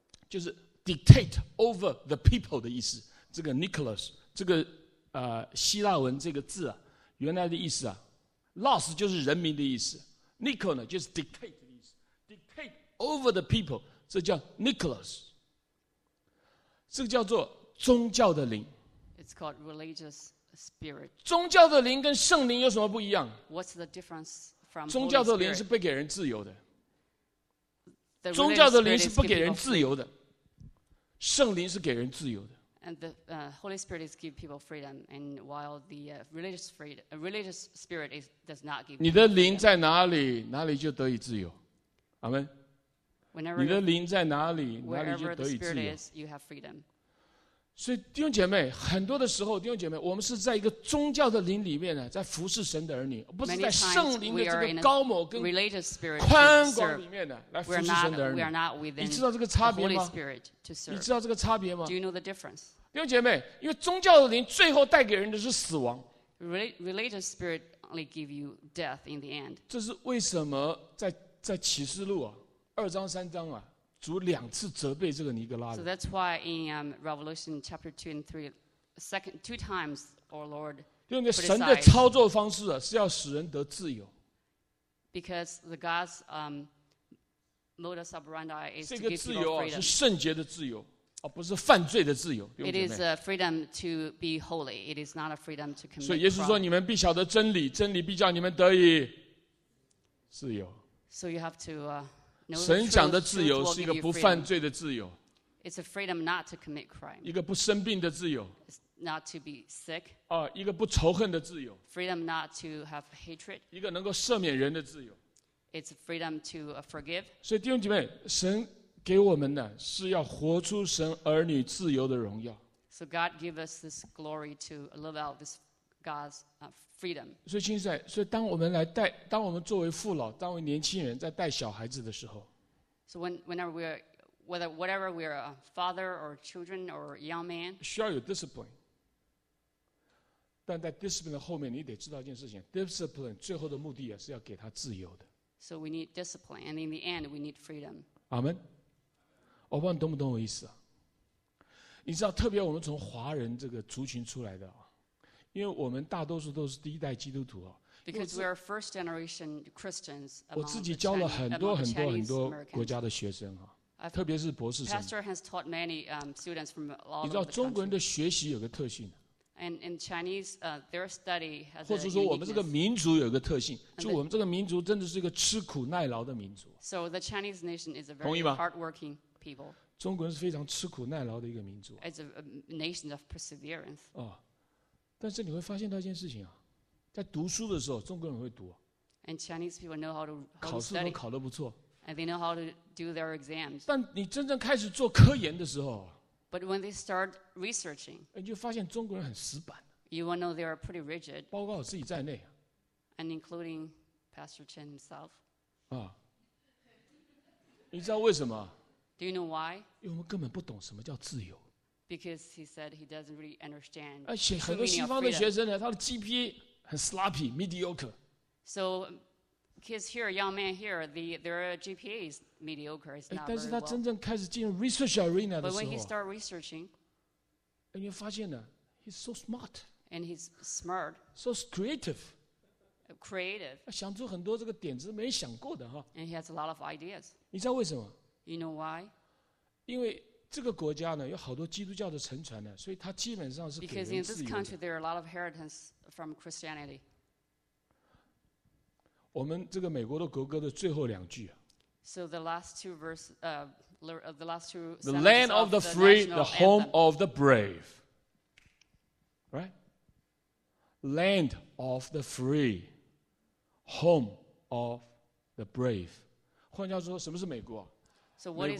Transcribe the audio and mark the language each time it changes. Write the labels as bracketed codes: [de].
[zh] 就是 [en] dictate over the people [zh] 的意思。这个 Nicholas， 这个希腊文这个字啊，原来的意思啊 ，los 就是人民的意思 ，nico 呢就是 dictate 的意思 ， [en] dictate over the people， [zh] 这叫 Nicholas， 这个叫做宗教的灵。 [en] It's called religious spirit. [zh] 宗教的灵跟圣灵有什么不一样 [en] ？What's the difference from [zh] 宗教的灵是不给人自由的， [en] the [zh] 宗教的灵是不给人自由的，圣灵是给人自由的。 [en] And the Holy Spirit is give people freedom, and while the religious spirit is does not give. [zh] 你的灵在哪里，哪里就得以自由。阿门。 [en] Whenever [zh] 你的灵在哪里，哪里就得以自由。 [en] Wherever the spirit is, you have freedom. [zh] 所以弟兄姐妹，很多的时候，弟兄姐妹，我们是在一个宗教的灵里面呢，在服侍神的儿女，不是在圣灵的这个高某跟宽广里面呢来服侍神的儿女。你知道这个差别吗？你知道这个差别吗？弟兄姐妹，因为宗教的灵最后带给人的是死亡。 [en] Religious spirit only give you death in the end. [zh] 这是为什么在启示录啊二章三章啊，主两次责备这个尼格拉人。 [en] So that's why in Revelation chapter 2 and 3, two times our Lord. [zh] 因为神的操作方式啊，是要使人得自由。 [en] Because the God's modus operandi is to give people [zh] freedom. 这个自由啊，是圣洁的自由，而不是犯罪的自由。 [en] It is a freedom to be holy. It is not a freedom to commit. [zh] 所以耶稣说：“你们必晓得真理，真理必叫你们得以自由。” [en] So you have to. [zh] 神讲的自由是一个不犯罪的自由， [en] It's a freedom not to commit crime. [zh] 一个不生病的自由， [en] It's not to be sick. [zh] 一个不仇恨的自由， [en] Freedom not to have hatred. [zh] 一个能够赦免人的自由， [en] It's freedom to forgive. [zh] 所以弟兄姐妹，神给我们的是要活出神儿女自由的荣耀。 [en] So God give us this glory to live out this God's freedom. [zh] 所以亲爱的，所以当我们来带，当我们作为父老，当为年轻人在带小孩子的时候， [en] so whenever we're whatever we're a father or children or young man, [zh] 需要有 discipline. 但在 discipline 的后面，你得知道一件事情 ，discipline 最后的目的是要给他自由的。 [en] So we need discipline, and in the end, we need freedom. [zh] Amen. 我不知道你懂不懂我意思啊？你知道，特别我们从华人这个族群出来的，因为我们大多数都是第一代基督徒。 [en] Because we are first generation Christians. [zh] 我自己教了很多很多很多国家的学生，特别是博士生。 [en] Pastor has taught many students from all over the country. [zh] 你知道中国人的学习有个特性。 [en] And in Chinese, their study has a uniqueness. [zh] 或者说我们这个民族有个特性，就我们这个民族真的是一个吃苦耐劳的民族。 [en] So the Chinese nation is a very hardworking people. [zh] 中国人是非常吃苦耐劳的一个民族。 [en] It's a nation of perseverance. [zh] 哦，但是你会发现到一件事情啊，在读书的时候，中国人会读。 [en] And Chinese people know how to study. [zh] 考试都考得不错。 [en] And they know how to do their exams. [zh] 但你真正开始做科研的时候。 [en] But when they start researching, [zh] 你就发现中国人很死板。 [en] You will know they are pretty rigid. [zh] 包括我自己在内。 [en] And including Pastor Chen himself. [zh] 啊，你知道为什么？ [en] Do you know why? [zh] 因为我们根本不懂什么叫自由。 [en] Because he said he doesn't really understand. [zh] 而且很多西方的学生呢，他的 GPA 很 [en] sloppy, mediocre. So kids here, young man here, their GPA is. Mediocre, [zh] 但是他真正开始进入 [en] research arena [zh] 的时候 [en] But when he start researching, [zh] 你发现呢 [en] he's so smart. And he's smart. So creative. Creative. [zh] 想出很多这个点子没想过的。 [en] And he has a lot of ideas. [zh] 你知道为什么？ [en] You know why? [zh] 因为这个国家呢有好多基督教的沉船呢，所以他基本上是给人自由的。 [en] Because in this country, there are a lot of inheritance from Christianity. [zh] 我们这个美国的国歌的最后两句啊， [en] So the last two verse, the last two. The land of the free, the home of the brave. Right? Land of the free, home of the brave. [zh] 换句话说，什么是美国？ [en] So what is America?